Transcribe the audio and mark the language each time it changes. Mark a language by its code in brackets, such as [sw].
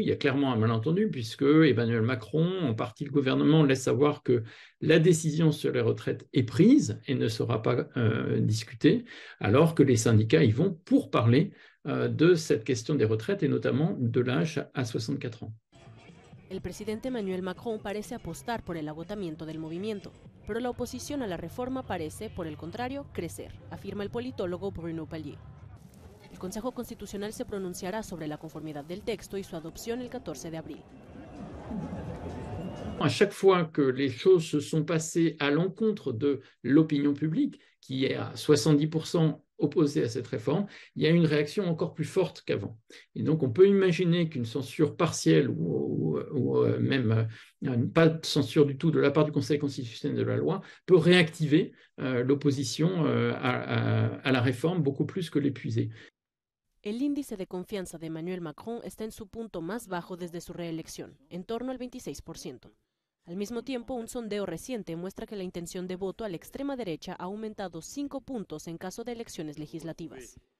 [fr] Il y a clairement un malentendu puisque Emmanuel Macron, en partie le gouvernement, laisse savoir que la décision sur les retraites est prise et ne sera pas discutée, alors que les syndicats y vont pour parler de cette question des retraites et notamment de l'âge à 64 ans. [es] El presidente Emmanuel Macron parece apostar por el agotamiento del movimiento, pero la oposición a la reforma parece, por el contrario, crecer, afirma el politólogo Bruno Palier. El Consejo Constitucional se pronunciará sobre la conformidad del texto y su adopción el 14 de abril. [fr] À chaque fois que les choses se sont passées à l'encontre de l'opinion publique, qui est à 70% opposé à cette réforme, il y a une réaction encore plus forte qu'avant. Et donc on peut imaginer qu'une censure partielle ou même pas de censure du tout de la part du Conseil constitutionnel de la loi peut réactiver l'opposition à la réforme beaucoup plus que l'épuiser. [es] El índice de confianza de Emmanuel Macron está en su punto más bajo desde su reelección, en torno al 26%. Al mismo tiempo, un sondeo reciente muestra que la intención de voto a la extrema derecha ha aumentado 5 puntos en caso de elecciones legislativas.